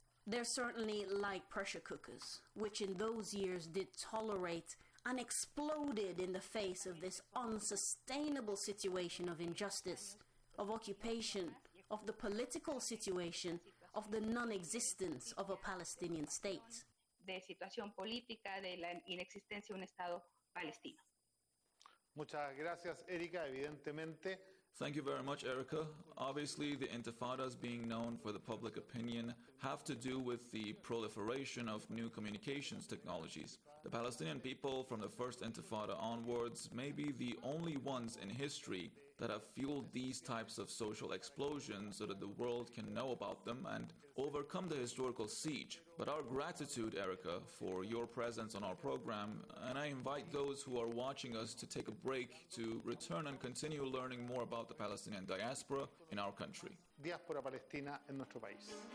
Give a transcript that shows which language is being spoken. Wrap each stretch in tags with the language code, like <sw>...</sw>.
<en>They're certainly like pressure cookers, which in those years did tolerate and exploded in the face of this unsustainable situation of injustice, of occupation, of the political situation, of the non-existence of a Palestinian state.</en> <es>De situación política de la inexistencia de un Estado palestino. Muchas gracias, Erika, evidentemente.</es> <en>Thank you very much, Erica. Obviously, the intifadas being known for the public opinion have to do with the proliferation of new communications technologies. The Palestinian people from the first intifada onwards may be the only ones in history that have fueled these types of social explosions so that the world can know about them and overcome the historical siege. But our gratitude, Erica, for your presence on our program, and I invite those who are watching us to take a break to return and continue learning more about the Palestinian diaspora in our country.</en> <es>Diáspora Palestina en nuestro país.</es>